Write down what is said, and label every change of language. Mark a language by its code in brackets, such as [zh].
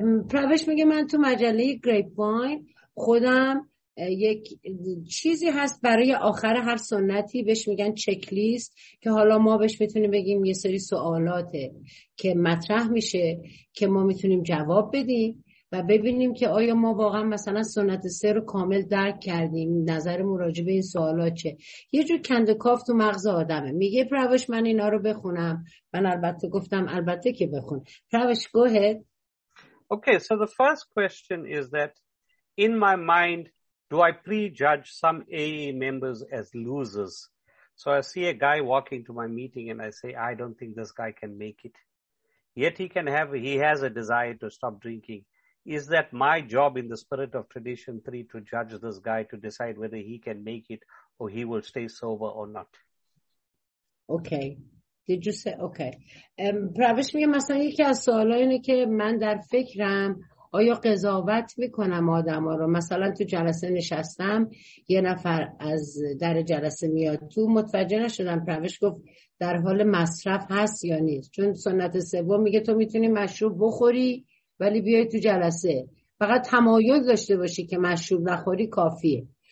[fa] Pravesh میگه من تو مجله Grapevine خودم یک چیزی هست برای آخر هر سنتی بهش میگن چکلیست، که حالا ما بهش میتونیم بگیم یه سری سوالاته که مطرح میشه که ما میتونیم جواب بدیم و ببینیم که آیا ما واقعا مثلا سنت سه رو کامل درک کردیم، نظر مراجع به این سوال ها چه. یه جور کند و کاف تو مغز آدمه. میگه پروش من اینا رو بخونم. من البته گفتم البته که بخون. [en] پروش go ahead. Okay, so the first question is that in my mind, do I prejudge some AA members as losers? So I see a guy walking to my meeting and I say, I don't think this guy can make it. Yet he has a desire to stop drinking. Is that my job in the spirit of tradition three to judge this guy to decide whether he can make it or he will stay sober or not? Okay. Did you say okay? [fa] Pravesh میگه مثلا یکی از سوالا اینه که من در فکرم آیا قضاوت میکنم آدما رو. مثلا تو جلسه نشستم، یه نفر از در جلسه میاد تو، متوجه نشدم. پروش گفت در حال مصرف هست یا نیست، چون سنت سوم میگه تو میتونی مشروب بخوری ولی بیای تو جلسه، فقط تمایل داشته باشی که مشروب نخوری کافیه.